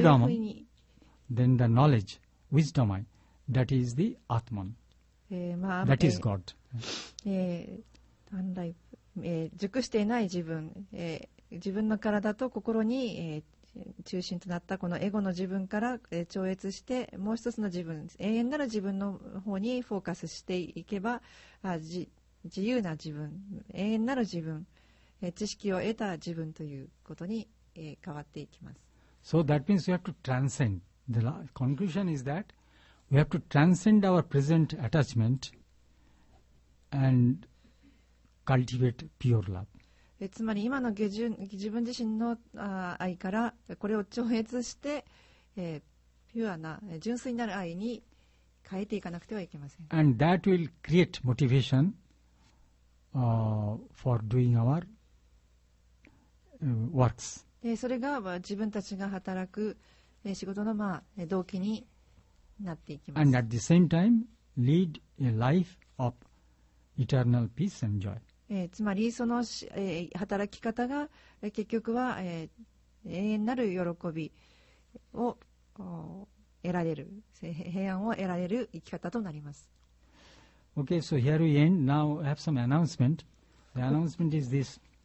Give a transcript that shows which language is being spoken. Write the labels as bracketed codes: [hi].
[ja] ふうに。 [en] Freedom, then the knowledge, wisdom I, that is the Atman. まあ、 that is God. Unripe. [ja] 熟していない自分、自分の体と心に、中心となったこのエゴの自分から、超越してもう一つの自分、永遠なる自分の方にフォーカスしていけば、自由な自分、永遠なる自分、知識を得た自分ということに、変わっていきます。 [en] So that means we have to transcend. The conclusion is that we have to transcend our present attachment andcultivate pure love. [ja] つまり今の自分自身の愛からこれを超越して、ピュアな純粋なる愛に変えていかなくてはいけません。 [en] And that will create motivation, for doing our works. [ja] で、それが自分たちが働く仕事の動機になっていきます。 [en] And at the same time, lead a life of eternal peace and joy. [ja] つまりその働き方が結局は永遠なる喜びを得られる、平安を得られる生き方となります。 [en] Okay, so here we end. Now I have some announcement. The announcement is this.